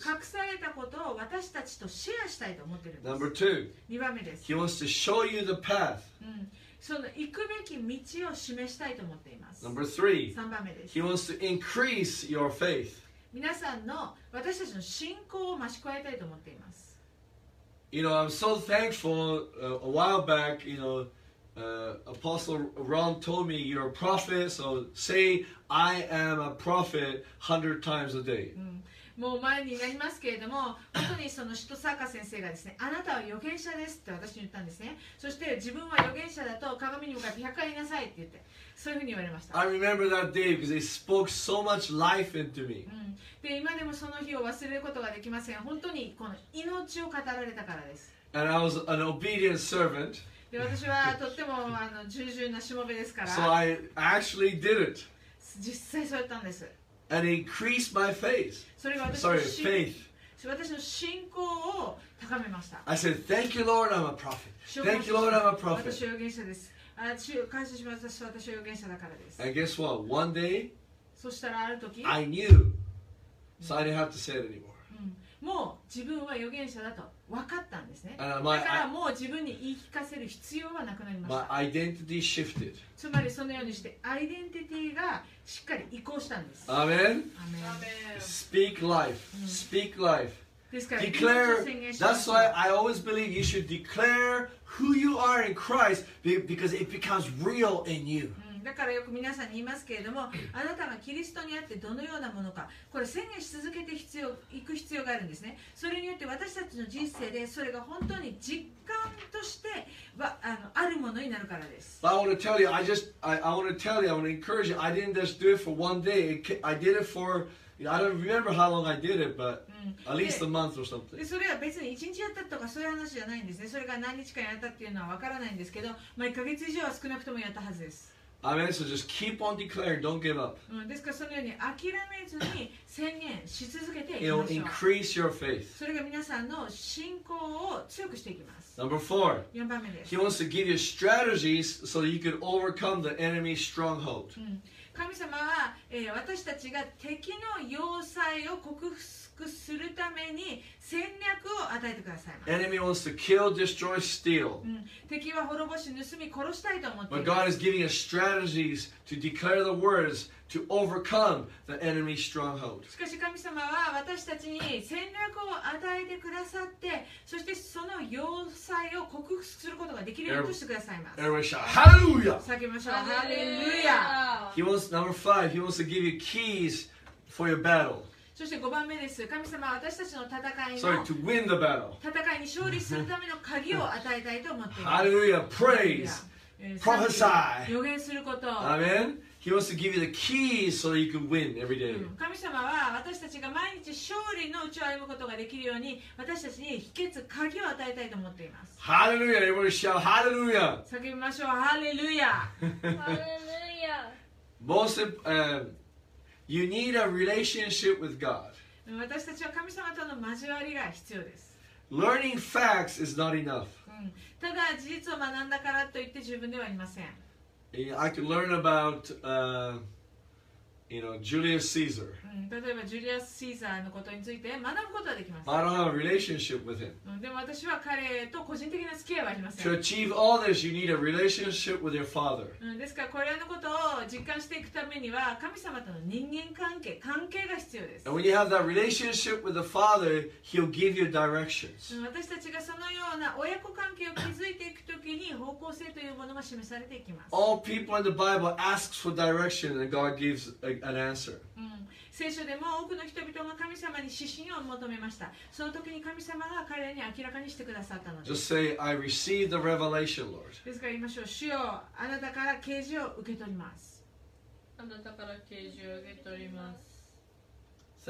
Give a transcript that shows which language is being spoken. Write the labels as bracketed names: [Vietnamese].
[Japanese] 隠されたことを私たちとシェアしたいと思っているんです。 [English] Number two. [Japanese] 二番目です。 [English] He wants to show you the path. [Japanese] その行くべき道を示したいと思っています。 [English] Number three. [Japanese] 三番目です。 [English] He wants to increase your faith. [Japanese] 皆さんの私たちの信仰を増し加えたいと思っています。 [English] You know, I'm so thankful, a while back, you know, Apostle Ron told me, you're a prophet, so say, I am a prophet 100 times a day.、 [Japanese] うん、もう前になりますけれども、本当にその使徒サーカ先生がですね、あなたは預言者ですって私に言ったんですね。そして自分は預言者だと鏡に向かって100回言いなさいって言って。そういうふうに言われました。 [English] I remember that day because it spoke so much life into me.、 [Japanese] うん、で今でもその日を忘れることができません。本当にこの命を語られたからです。 [English] And I was an obedient servant. [Japanese] で私はとっても従順なしもべですから。 [English] So I actually did it. [Japanese] 実際そうやったんです。 [English] And it increased my faith. [Japanese] それが私の信仰を高めました。 [English] I said, Thank you, Lord, I'm a prophet. Thank you, Lord, I'm a prophet. [Japanese] 私は預言者です。感謝します。私は預言者だからです。 [English] And guess what? One day, [Japanese] そしたらある時、 [English] I knew, so I didn't have to say it anymore. [Japanese] もう自分は預言者だと分かったんですね。だからもう自分に言い聞かせる必要はなくなりました。 [English] My identity shifted. [Japanese] つまりそのようにして、アイデンティティがしっかり移行したんです。アメン。アメン。 [English] Speak life. Speak life. [Japanese] ですから、 [English] declare. That's why I always believe you should declare.Who you are in Christ because it becomes real in you. [Japanese] だからよく皆さんに言いますけれども、あなたがキリストにあってどのようなものか、これ宣言し続けて必要いく必要があるんですね。それによって私たちの人生でそれが本当に実感としてはあるものになるからです。 [English] But I want to tell you, I want to encourage you, I didn't just do it for one day. I did it for, I don't remember how long I did it, butAt least a month or something. [Japanese] でそれは別に1日やったとかそういう話じゃないんですね。それが何日間やったっていうのは分からないんですけど、まあ、1ヶ月以上は少なくともやったはずです。 [English] Amen. So just keep on declaring. Don't give up. [Japanese] ですからそのように諦めずに宣言し続けていきましょう。 [English] It'll increase your faith. [Japanese] それが皆さんの信仰を強くしていきます。 [English] Number four. [Japanese] 4番目です。 [English] He wants to give you strategies so that you can overcome the enemy's stronghold. [Japanese] 神様は、私たちが敵の要塞を克服するために戦略を与えてくださいます。 [English] Enemy wants to kill, destroy, steal. [Japanese] 敵は滅ぼし、盗み、殺したいと思っています [English] 。 But God is giving us strategies to declare the words to overcome the enemy's stronghold. [Japanese] しかし神様は私たちに戦略を与えてくださって、そしてその要塞を克服することができるようにしてくださいます。 [English] Everybody shout, Hallelujah! [Japanese] 叫びましょう。Hallelujah! [English] He wants, number five, he wants to give you keys for your battle. [Japanese] そして5番目です。神様は私たちの戦いの [English] Sorry, to win the battle. [Japanese] 戦いに勝利するための鍵を与えたいと思っています。 [English] Hallelujah, praise, prophesy. [Japanese] 予言すること。 [English] Amen. He wants to give you the keys so that you can win every day. [Japanese] 神様は私たちが毎日勝利のうちを歩むことができるように私たちに秘訣、鍵を与えたいと思っています。 [English] Hallelujah, everybody shout Hallelujah. [Japanese] 叫びましょう。Hallelujah. [English] Hallelujah. Most of, You need a relationship with God. [Japanese] 私たちは神様との交わりが必要です。 [English] Learning facts is not enough. [Japanese] ただ事実を学んだからといって十分ではありません。 [English] I can learn about, you know, Julius Caesar. [Japanese] 例えばジュリアス・シーザーのことについて学ぶことはできます。 [English] I don't have a relationship with him. [Japanese] でも私は彼と個人的な付き合いはありません。 [English] To achieve all this, you need a relationship with your father. [Japanese] ですからこれのことを実感していくためには神様との人間関係、関係が必要です。 [English] And when you have that relationship with the father, he'll give you directions. [Japanese] 私たちがそのような親子関係を築いていくときに方向性というものが示されていきます。 [English] All people in the Bible ask for direction and God gives an answer. [Japanese] 聖書でも多くの人々が神様に指針を求めました。その時に神様が彼らに明らかにしてくださったのです。 [English] Just say, I receive the revelation, Lord. [Japanese] ですから言いましょう。主よ、あなたから啓示を受け取ります。あなたから啓示を受け取ります。